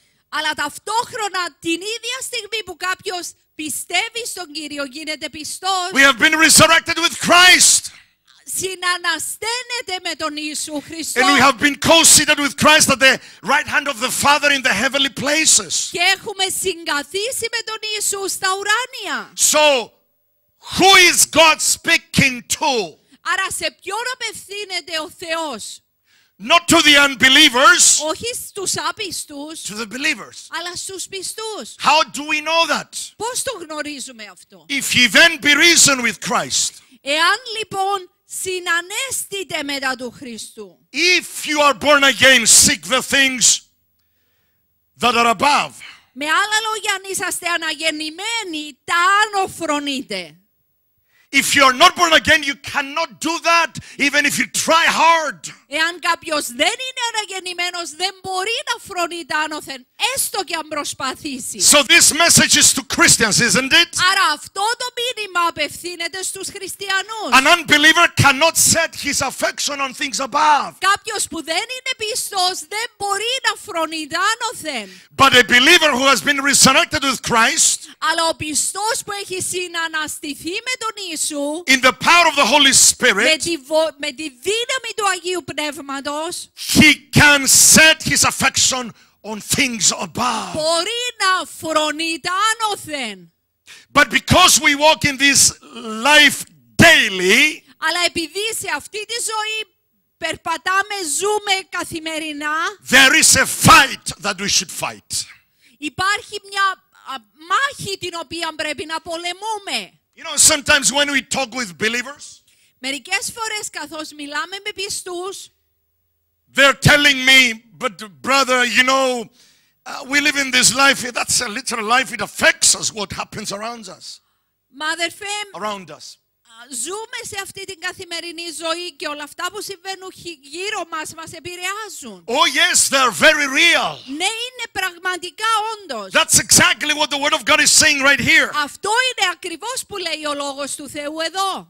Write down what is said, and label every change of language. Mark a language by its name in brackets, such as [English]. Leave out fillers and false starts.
[Greek] Αλλά ταυτόχρονα την ίδια στιγμή που κάποιος πιστεύει στον Κύριο, γίνεται πιστός. [English] We have been resurrected with Christ. [Greek] Συναναστένεται με τον Ιησού Χριστό. [English] And we have been co-seated with Christ at the right hand of the Father in the heavenly places. [Greek] Και έχουμε συγκαθίσει με τον Ιησού στα ουράνια. [English] So, who is God speaking to? [Greek] Άρα σε ποιον απευθύνεται ο Θεός? [English] Not to the unbelievers. [Greek] Όχι στους άπιστους. [English] To the believers. [Greek] Αλλά στους πιστούς. [English] How do we know that? [Greek] Πώς το γνωρίζουμε αυτό? [English] If ye then be risen with Christ. [Greek] Εάν λοιπόν συνανέστητε μετά του Χριστού. [English] If you are born again, seek the things that are above. [Greek] Με άλλα λόγια, αν είσαστε αναγεννημένοι, τα άνω φρονείτε. [English] If you are not born again, you cannot do that, even if you try hard. [Greek] Εάν κάποιος δεν είναι αναγεννημένος, δεν μπορεί να φρονεί τα άνωθεν, έστω και αν προσπαθήσει. [English] So this message is to Christians, isn't it? [Greek] Άρα αυτό το μήνυμα απευθύνεται στους χριστιανούς. [English] An unbeliever cannot set his affection on things above. [Greek] Κάποιος που δεν είναι πιστός, δεν μπορεί να φρονεί τα άνωθεν. [English] But a believer who has been resurrected with Christ. [Greek] Αλλά ο πιστός που έχει συναναστηθεί με τον Ιησού. [English] In the power of the Holy Spirit. [Greek] Με τη δύναμη του Αγίου. [English] He can set his affection on things above. [Greek] Μπορεί να φρονεί τα άνωθεν. [English] But because we walk in this life daily, [Greek] αλλά επειδή σε αυτή τη ζωή περπατάμε, ζούμε καθημερινά, [English] there is a fight that we should fight. [Greek] Υπάρχει μια μάχη την οποία πρέπει να πολεμούμε. [English] You know, sometimes when we talk with believers. [Greek] Μερικές φορές καθώς μιλάμε με πιστούς, [English] they're telling me, but brother, you know, we live in this life. That's a literal life. It affects us. What happens around us? Around us. [Greek] Ζούμε σε αυτή την καθημερινή ζωή και όλα αυτά που συμβαίνουν γύρω μας μας επηρεάζουν. [English] Oh yes, they are very real. [Greek] Ναι, είναι πραγματικά όντως. [English] That's exactly what the word of God is saying right here. [Greek] Αυτό είναι ακριβώς που λέει ο λόγος του Θεού εδώ.